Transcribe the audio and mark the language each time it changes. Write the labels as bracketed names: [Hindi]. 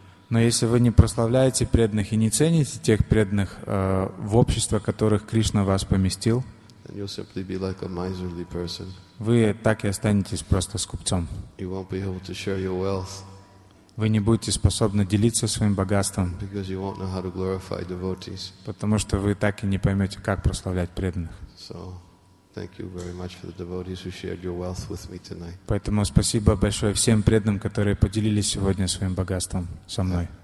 [Russian] Но если вы не прославляете преданных и не цените тех преданных, в общество которых Кришна вас поместил, [English] and you'll simply be like a miserly person. [Russian] Вы так и останетесь просто скупцом. [English] You won't be able to share your wealth. [Russian] Вы не будете способны делиться своим богатством. [English] Because you won't know how to glorify devotees. [Russian] Потому что вы так и не поймете, как прославлять преданных. [English] So, thank you very much for the devotees who shared your wealth with me tonight. [Russian] Поэтому спасибо большое всем преданным, которые поделились сегодня своим богатством со мной.